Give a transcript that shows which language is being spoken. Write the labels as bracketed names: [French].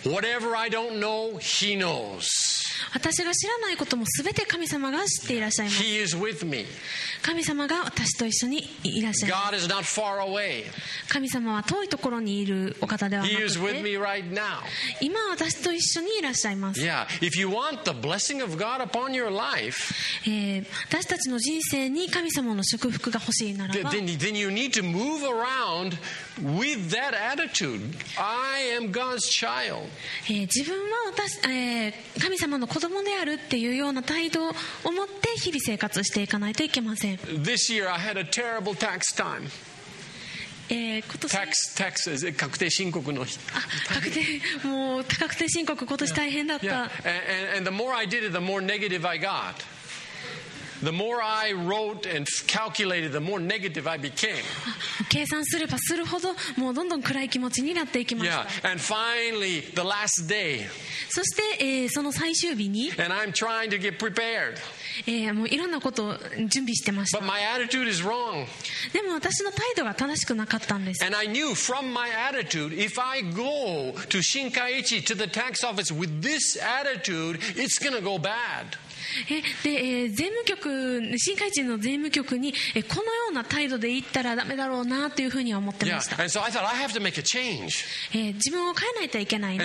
[English] Whatever I don't know, he knows. [Japanese] 私が知らないこともすべて神様が知っていらっしゃいます。 [English] He is with me. [Japanese] 神様が私と一緒にいらっしゃいます。 [English] God is not far away. [Japanese] 神様は遠いところにいるお方ではなくて、 [English] He is with me right now. [Japanese] 今私と一緒にいらっしゃいます。 Yeah. [English] If you want the blessing of God upon your life, [Japanese] 私たちの人生に神様の祝福が欲しいならば、 [English] then you need to move around with that attitude. I am God's child. [Japanese] 自分は私、神様の子供であるっていうような態度を持って日々生活していかないといけません。 [English] This year I had a terrible tax time. [Japanese] 今年 tax 確定申告の日。確定もう確定申告今年大変だった。 Yeah. Yeah. [English] And the more I did it, the more negative I got. The more I wrote and calculated, the more negative I became. [Japanese] 計算すればするほど、もうどんどん暗い気持ちになっていきました。 [English] Yeah, and finally, the last day. [Japanese] そして、その最終日に。 [English] And I'm trying to get prepared. [Japanese] もういろんなことを準備してました。 [English] But my attitude is wrong. [Japanese] でも私の態度が正しくなかったんです。 [English] And I knew from my attitude, if I go to Shinkaichi to the tax office with this attitude, it's gonna go bad. [Japanese] 税務局、新開地の税務局にこのような態度で行ったらダメだろうなというふうには思ってました。 [English] Yeah. And so I thought I have to make a change. [Japanese] 自分を変えないといけないな。